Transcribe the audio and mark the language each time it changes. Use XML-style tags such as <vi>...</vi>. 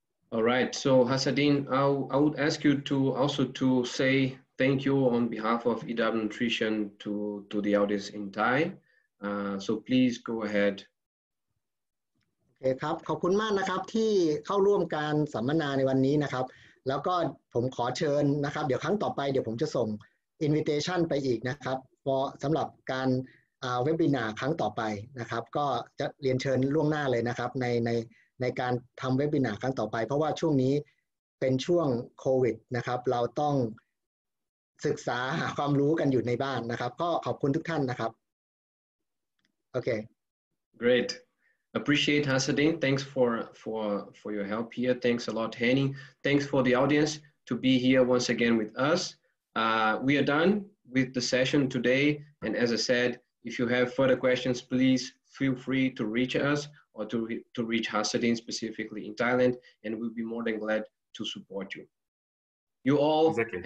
<en>All right. So Hasadin, I would ask you to also to say thank you on behalf of EW Nutrition to the audience in Thai. So please go ahead.</en> <th>Okay, ครับขอบคุณมากนะครับที่เข้าร่วมการสัมมนาในวันนี้นะครับแล้วก็ผมขอเชิญนะครับเดี๋ยวครั้งต่อไปเดี๋ยวผมจะส่ง invitation ไปอีกนะครับสำหรับการเว็บบินาร์ครั้งต่อไปนะครับก็จะเรียนเชิญล่วงหน้าเลยนะครับในการทำเว็บบินาร์ครั้งต่อไปเพราะว่าช่วงนี้เป็นช่วงโควิดนะครับเราต้องศึกษาหาความรู้กันอยู่ในบ้านนะครับก็ขอบคุณทุกท่านนะครับโอเค</th> <en>great appreciate Hasadin thanks for your help here thanks a lot Hani thanks for the audience to be here once again with us we are done with the session today and as I said if you have further questions please feel free to reach us or to reach Hasadin specifically in Thailand and we'll be more than glad to support youYou all exactly.</en>